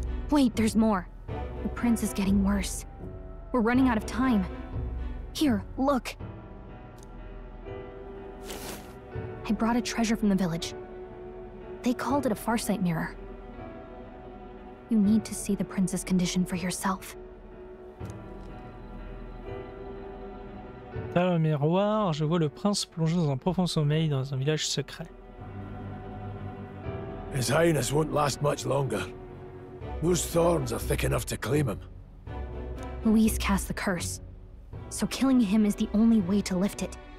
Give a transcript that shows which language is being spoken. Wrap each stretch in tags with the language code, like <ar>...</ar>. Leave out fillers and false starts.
<en>Wait, there's more. The prince is getting worse. We're running out of time. Here, look. I brought a treasure from the village. They called it a farsight mirror. You need to see the prince's condition for yourself.</en> <fr>Dans le miroir, je vois le prince plongé dans un profond sommeil dans un village secret.</fr> <en>His highness won't last much longer. Those thorns are thick enough to claim him. Luis cast the curse, so killing him is the only way to lift it.</en>